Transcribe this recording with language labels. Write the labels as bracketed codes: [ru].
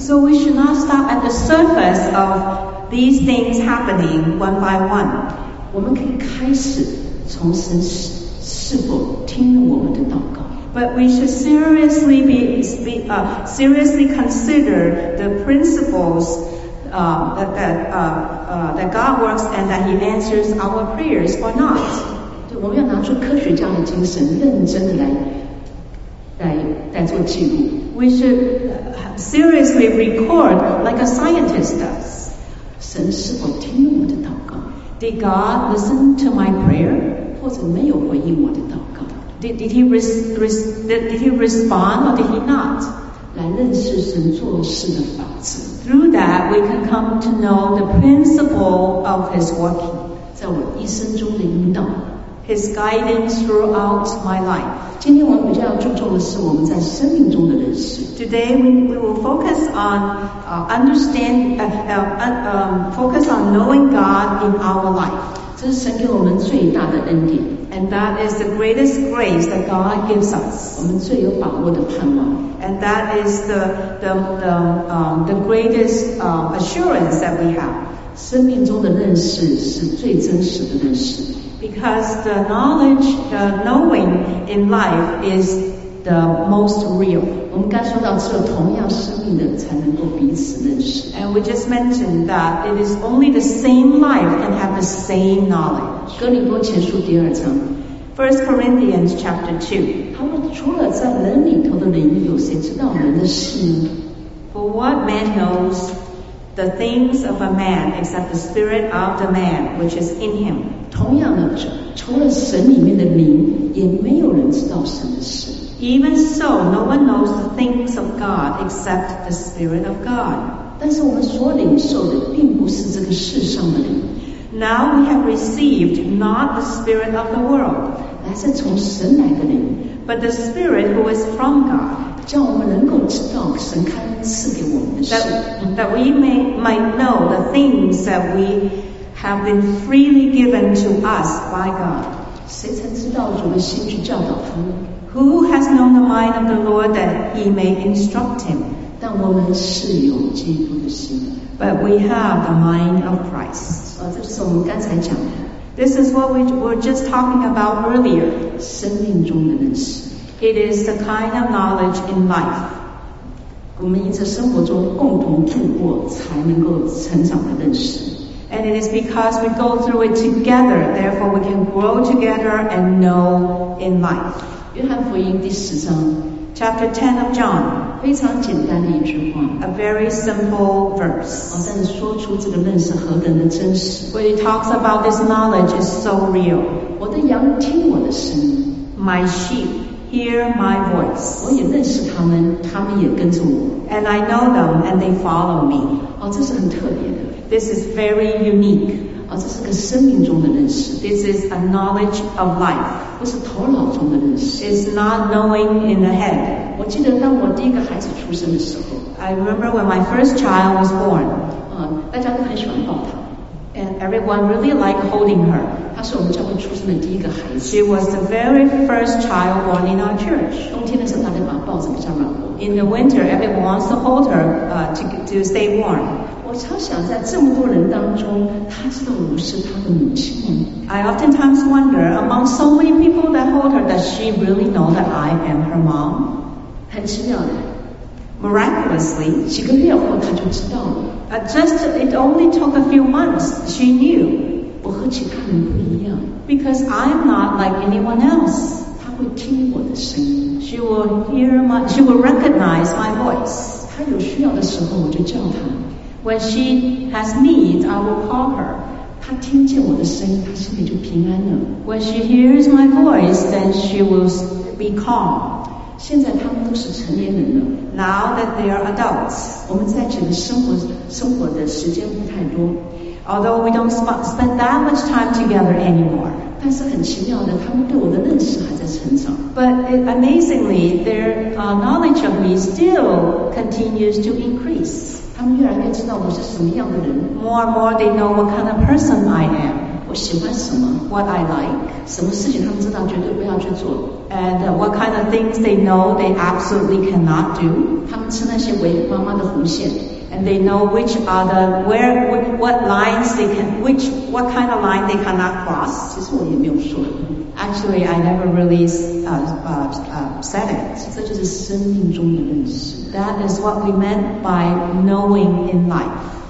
[en] So we should not stop at the surface of these things happening one by one. [zh] 我们可以开始从神是否听了我们的祷告。 [en] But we should seriously consider the principles that God works and that He answers our prayers or not. [zh] 对，我们要拿出科学家的精神，认真的来做记录。 [en] We should seriously record like a scientist does. [zh] 神是否听我的祷告 [en] ？Did God listen to my prayer? [zh] 或者没有回应我的祷告 [en] ？Did he respond or did he not? [zh] 来认识神做事的法则。 [en] Through that, we can come to know the principle of His working. [zh] 在我一生中的引导。 [en] His guidance throughout my life. [zh] 今天我们比较注重的是我们在生命中的认识。 [en] Today we will focus on focus on knowing God in our life. [zh] 这是神给我们最大的恩典。 [en] And that is the greatest grace that God gives us. [zh] 我们最有把握的盼望。 [en] And that is the greatest assurance that we have. [zh] 生命中的认识是最真实的认识。 [en] Because the knowledge, the knowing in life is the most real. [zh] 我们刚说到只有同样生命的才能够彼此认识。 [en] And we just mentioned that it is only the same life can have the same knowledge. [zh] 哥林多前书第二章。 [en] First Corinthians chapter 2. [zh] 他们除了在人里头的灵，有谁知道人的事呢？ [en] For what man knows the things of a man except the spirit of the man which is in him? [zh] 同样的，除了神里面的灵，也没有人知道神的事。 [en] Even so, no one knows the things of God except the Spirit of God. [zh] 但是我们所领受的并不是这个世上的灵。 [en] Now we have received not the Spirit of the world, [zh] 乃是从神来的灵。 [en] But the Spirit who is from God, [zh] 叫我们能够知道神开赐给我们的事。 [en] That we might know the things that we have been freely given to us by God. [zh] 谁曾知道主的心去教导他呢？ [en] Who has known the mind of the Lord that he may instruct him? [zh] 但我们是有基督的心。 [en] But we have the mind of Christ. [zh] 这就是我们刚才讲的。 [en] This is what we were just talking about earlier. [zh] 生命中的认识。 [en] It is the kind of knowledge in life. [zh] 我们因着生活中共同度过才能够成长的认识。 [en] And it is because we go through it together, therefore we can grow together and know in life. [zh] 约翰福音第十章 [en] Chapter 10 of John. [zh] 非常简单的一句话 [en] A very simple verse. [zh] 但是说出这个认识何等的真实 [en] When he talks about this knowledge is so real. [zh] 我的羊听我的声音 [en] My sheep hear my voice. [zh] 我也认识他们他们也跟着我 [en] And I know them and they follow me. [zh] 这是很特别的 [en] This is very unique. [zh] 这是个生命中的认识。 [en] This is a knowledge of life. [zh] 不是头脑中的认识。 [en] It's not knowing in the head. [zh] 我记得当我第一个孩子出生的时候。 [en] I remember when my first child was born. [zh] 大家都很喜欢抱她。 [en] And everyone really liked holding her. [zh] 她是我们教会出生的第一个孩子。 [en] She was the very first child born in our church. [zh] 冬天的时候大家把她抱着比较暖和。 [en] In the winter, everyone wants to hold her, to stay warm. [zh] 我常想在这么多人当中她知道我是她的母亲吗 [en] I oftentimes wonder among so many people that hold her does she really know that I am her mom [zh] 很奇妙的 [en] Miraculously [zh] 几个月后她就知道了 [en] Just it only took a few months she knew [zh] 我和其他人不一样 [en] Because I'm not like anyone else [zh] 她会听我的声音 [en] She will hear my She will recognize my voice [zh] 她有需要的时候我就叫她 [en] When she has needs, I will call her. [zh] 她听见我的声音，她心里就平安了。 [en] When she hears my voice, then she will be calm. [zh] 现在他们都是成年人了。 [en] Now that they are adults, [zh] 我们在这里生活的时间不太多。 [en] Although we don't spend that much time together anymore. [zh] 但是很奇妙的，他们对我的认识还在成长。 [en] But amazingly, their knowledge of me still continues to increase. [zh] 他们越来越知道我是什么样的人。 [en] More and more they know what kind of person I am. [zh] 我喜欢什么 [en] ？What I like. [zh] 什么事情他们知道绝对不要去做 [en] ？And what kind of things they know they absolutely cannot do. [zh] 他们吃那些违背妈妈的红线。 [en] And they know which are the where what lines they can which what kind of line they cannot cross. [zh] 其实我也没有说。 [en] Actually, I never really said it. [zh] 这就是生命中的认识。 [en] That is what we meant by knowing in life.